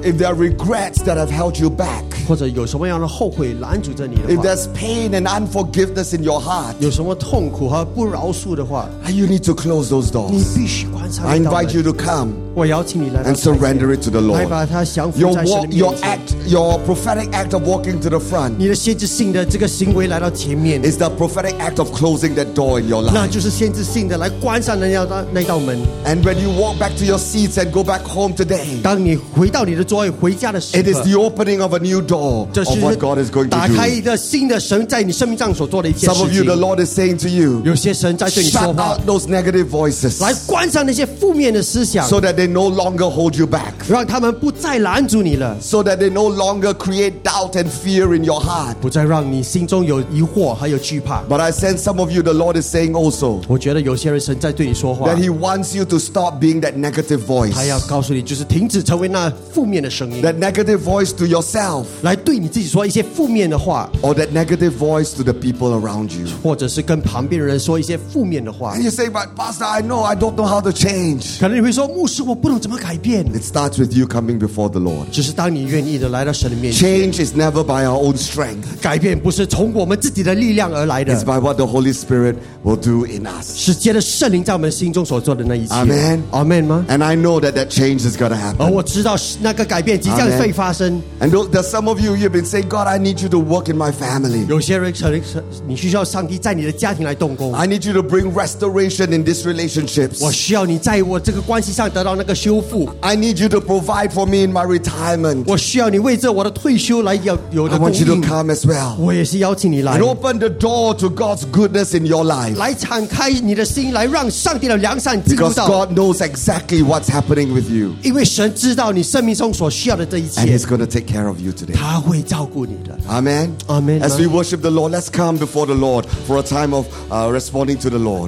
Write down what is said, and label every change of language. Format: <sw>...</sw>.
<en>if there are regrets that have held you back</en> <zh>或者有什么样的后悔拦住着你的话</zh> <en>if there's pain and unforgiveness in your heart</en> <zh>有什么痛苦和不饶恕的话</zh> <en>you need to close those doors</en> <zh>你必须关上一道门</zh> <en>I invite you to come and surrender it to the Lord.</en> <zh>来把它降服在神的面前。</zh> <en>Your act, your prophetic act of walking to the front.</en> <zh>你的先知性的这个行为来到前面。</zh> <en>Is the prophetic act of closing that door in your life?</en> <zh>那就是先知性的来关上那道门。</zh> <en>And when you walk back to your seats and go back home today,</en> <zh>当你回到你的座位回家的时刻</zh> <en>it is the opening of a new door of what God is going to do.</en> <zh>打开一个新的神在你生命上所做的一件事情。</zh> <en>Some of you, the Lord is saying to you,</en> <zh>有些神在对你说话</zh> <en>shut out those negative voices.</en> <zh>来关上那些负面的思想</zh> <en>so that they no longer hold you back.</en> <zh>让他们不再拦住你了。</zh> <en>So that they no longer create doubt and fear in your heart.</en> <zh>不再让你心中有疑惑还有惧怕。</zh> <en>But I sense some of you, the Lord is saying also.</en> <zh>我觉得有些人神在对你说话。</zh> <en>That He wants you to stop being that negative voice.</en> <zh>他要告诉你，就是停止成为那负面的声音。</zh> <en>That negative voice to yourself.</en> <zh>来对你自己说一些负面的话。</zh> <en>Or that negative voice to the people around you.</en> <zh>或者是跟旁边的人说一些负面的话。</zh> <en>And you say, but Pastor, I know, I don't know how to change.</en> <zh>可能你会说，牧师，我不懂怎么改变。</zh> <en>It starts with you coming before the Lord.</en> <zh>就是当你愿意的来到神的面前。</zh> <en>Change is never by our own strength.</en> <zh>改变不是从我们自己的力量而来的。</zh> <en>It's by what the Holy Spirit will do in us.</en> <zh>是借着圣灵在我们心中所做的那一切。</zh> <en>Amen.</en> <zh>Amen 吗</zh> <en>？And I know that change is going to happen.</en> <zh>而我知道那个改变即将会发生。</zh> <en>And there's some of you you've been saying, God, I need you to work in my family.</en> <zh>有些人曾你需要上帝在你的家庭来动工。</zh> <en>I need you to bring restoration in these relationships.</en> <zh>我需要你在我这个关系上得到那个。</zh> <en>I need you to provide for me in my retirement.</en> <zh>我需要你为这我的退休来有的供应。</zh> <en>I want you to come as well.</en> <zh>我也是邀请你来。</zh> <en>And open the door to God's goodness in your life.</en> <zh>来敞开你的心，来让上帝的良善进入到。</zh> <en>Because God knows exactly what's happening with you.</en> <zh>因为神知道你生命中所需要的这一切。</zh> <en>And He's going to take care of you today.</en> <zh>他会照顾你的。</zh> <en>Amen. Amen. As we worship the Lord, let's come before the Lord for a time of responding to the Lord.</en>